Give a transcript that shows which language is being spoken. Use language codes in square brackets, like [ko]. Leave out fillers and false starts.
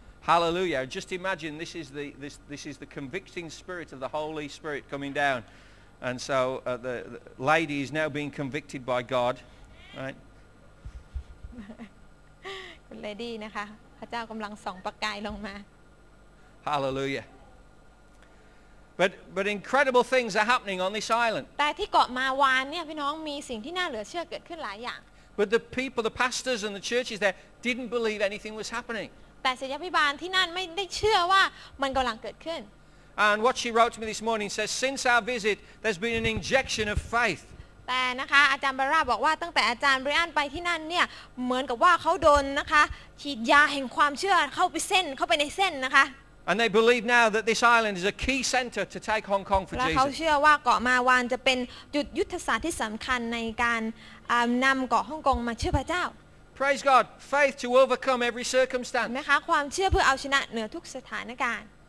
[en] Hallelujah! Just imagine this is the convicting spirit of the Holy Spirit coming down. And so the lady is now being convicted by God, right? [th] Lady, นะคะพระเจ้ากำลังส่องประกายลงมา [en] Hallelujah. But incredible things are happening on this island. [th] แต่ที่เกาะมาวานเนี่ยพี่น้องมีสิ่งที่น่าเหลือเชื่อเกิดขึ้นหลายอย่าง [en] But the people, the pastors, and the churches there didn't believe anything was happening. [th] แต่ศิษยาภิบาลที่นั่นไม่ได้เชื่อว่ามันกำลังเกิดขึ้น [en] And what she wrote to me this morning says, since our visit, there's been an injection of faith. [th] แต่นะคะอาจารย์บาร่าบอกว่าตั้งแต่อาจารย์บริอันไปที่นั่นเนี่ยเหมือนกับว่าเขาโดนนะคะฉีดยาแห่งความเชื่อเข้าไปในเส้นนะคะ [en] And they believe now that this island is a key center to take Hong Kong for Jesus. [th] แล้วเขาเชื่อว่าเกาะมาวานจะเป็นจุดยุทธศาสตร์ที่สำคัญในการนำเกาะฮ่องกงมาเชื่อพระเจ้า [en] Praise God, faith to overcome every circumstance. [th] นะคะความเชื่อเพื่อเอาชนะเหนือทุกสถานการณ์